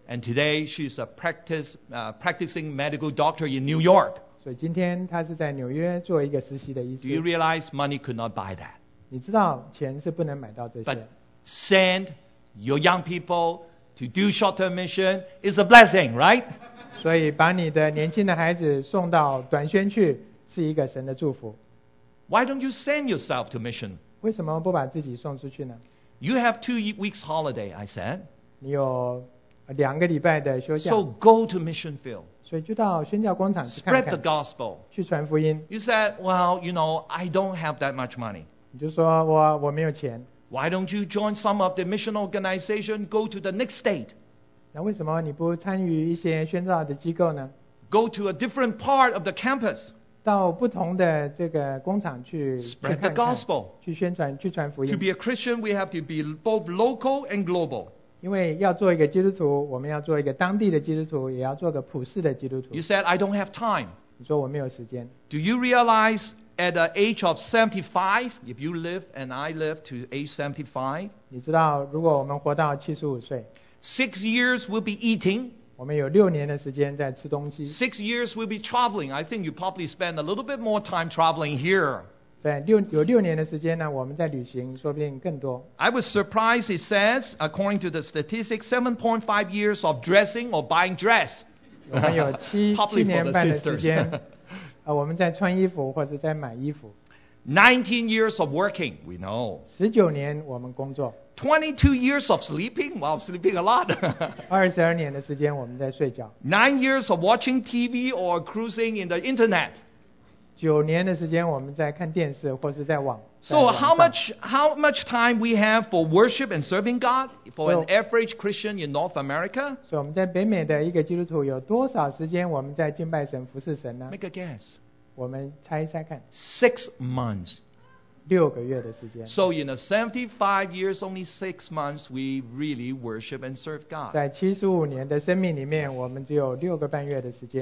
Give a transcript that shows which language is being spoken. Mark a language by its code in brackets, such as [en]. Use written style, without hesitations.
[en] And today she's a practicing medical doctor in New York. [zh] 所以今天她是在纽约做一个实习的医生。 [en] Do you realize money could not buy that? [zh] 你知道钱是不能买到这些。 [en] But send your young people to do short-term mission is a blessing, right? [zh] 所以把你的年轻的孩子送到短宣去是一个神的祝福。 [en] Why don't you send yourself to mission? [zh] 为什么不把自己送出去呢？ [en] You have 2 weeks holiday, I said. [zh] 你有两个礼拜的休假。 [en] So go to mission field. [zh] 所以就到宣教工厂去看看。 [en] Spread the gospel. [zh] 去传福音。 [en] You said, well, you know, I don't have that much money. [zh] 你就说我没有钱。 [en] Why don't you join some of the mission organization, go to the next state? [zh] 那为什么你不参与一些宣教的机构呢？ [en] Go to a different part of the campus. [zh] 到不同的这个工厂去 [en] spread the gospel, [zh] 去宣传去传福音。 [en] To be a Christian, we have to be both local and global. [zh] 因为要做一个基督徒，我们要做一个当地的基督徒，也要做个普世的基督徒。 [en] You said I don't have time. [zh] 你说我没有时间。 [en] Do you realize at the age of 75, if you live and I live to age 75, [zh] 你知道如果我们活到75岁 [en] 6 years we'll be eating. [zh] 我们有六年的时间在吃东西。 [en] 6 years we'll be traveling. I think you probably spend a little bit more time traveling here. [zh] 在有六年的时间呢，我们在旅行，说不定更多。 [en] I was surprised. It says, according to the statistics, 7.5 years of dressing or buying dress. [zh] 我们有七年半的时间，我们在穿衣服或者在买衣服。 [en] 19 years of working, we know. [zh] 19年我们工作。 [en] 22 years of sleeping, well, sleeping a lot. [zh] 22年的时间我们在睡觉。 [en] 9 years of watching TV or cruising in the internet. [zh] 9年的时间我们在看电视或是在网。 [en] So how much time we have for worship and serving God for an average Christian in North America? [zh] 所以我们在北美的一个基督徒有多少时间我们在敬拜神服侍神呢？ [en] Make a guess. [zh] 我们猜一猜看。 [en] 6 months. [zh] 六个月的时间。 [en] So in a 75 years, only 6 months, we really worship and serve God. [zh] 在75年的生命里面，我们只有六个半月的时间。